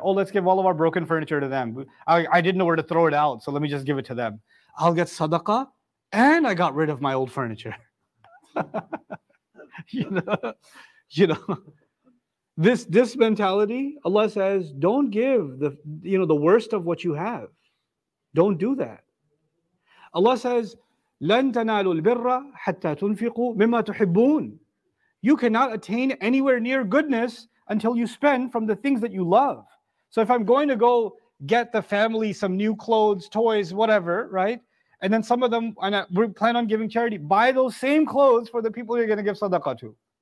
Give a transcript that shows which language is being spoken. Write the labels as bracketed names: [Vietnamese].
[English] Oh, let's give all of our broken furniture to them. I didn't know where to throw it out, so let me just give it to them. I'll get sadaqah, and I got rid of my old furniture. You know. This mentality, Allah says, don't give the worst of what you have. Don't do that. Allah says, [Arabic] لَن تَنَالُوا الْبِرَّ حَتَّى تُنْفِقُوا مِمَّا تُحِبُّونَ. [English] You cannot attain anywhere near goodness until you spend from the things that you love. So if I'm going to go get the family some new clothes, toys, whatever, right? And then some of them, we plan on giving charity. Buy those same clothes for the people you're going to give sadaqah to.